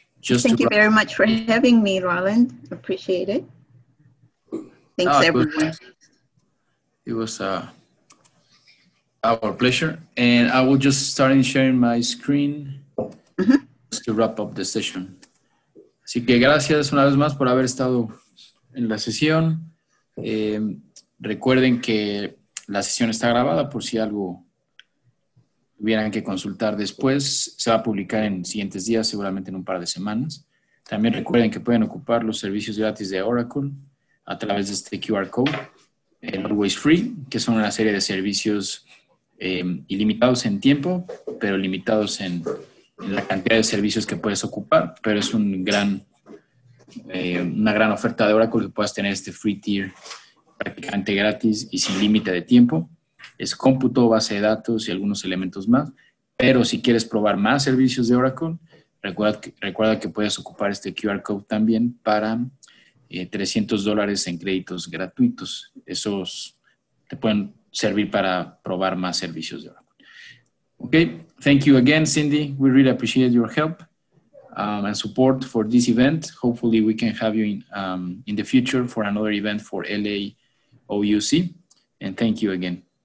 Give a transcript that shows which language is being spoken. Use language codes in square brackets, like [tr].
[en] Just thank you very much for having me, Roland. Appreciate it. Thanks, everyone. It was our pleasure. And I will just start sharing my screen just to wrap up the session. [es] Así que gracias una vez más por haber estado en la sesión. Recuerden que la sesión está grabada por si algo tuvieran que consultar después. Se va a publicar en siguientes días, seguramente en un par de semanas. También recuerden que pueden ocupar los servicios gratis de Oracle a través de este QR code, el Always Free, que son una serie de servicios ilimitados en tiempo, pero limitados en la cantidad de servicios que puedes ocupar. Pero es una gran oferta de Oracle que puedas tener este free tier prácticamente gratis y sin límite de tiempo. Es cómputo, base de datos y algunos elementos más. Pero si quieres probar más servicios de Oracle, recuerda que puedes ocupar este QR code también para $300 en créditos gratuitos. Esos te pueden servir para probar más servicios de Oracle. [en] Okay, thank you again, Cindy. We really appreciate your help and support for this event. Hopefully we can have you in the future for another event for LA OUC, and thank you again.